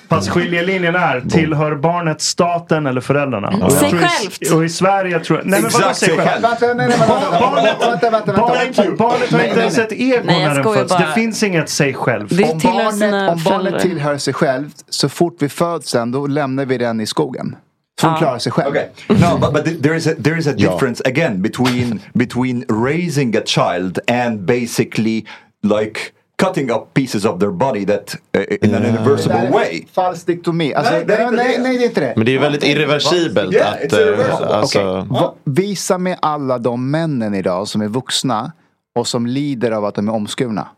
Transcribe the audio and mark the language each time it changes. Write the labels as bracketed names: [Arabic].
[Swedish] Fast skiljelinjen är, tillhör barnet staten eller föräldrarna? Mm. Säg självt! Och i Sverige tror jag... Nej, men vadå säg självt? Barnet har inte ens ett ego när den föds. Det finns inget säg självt. Om barnet tillhör sig självt, så fort vi föds den, då lämnar vi den i skogen. Så hon klarar sig själv. [English] Okay. No, but there is a difference, again, between raising a child and basically, like... cutting up pieces of their body that in an irreversible way. [Swedish] Falsk diktomi. Alltså, nej, det är inte det. Men det är väldigt irreversibelt. [English] Yeah, [Swedish] att alltså. [English] Okay. [Swedish] Visa mig alla de männen idag som är vuxna och som lider av att de är omskurna.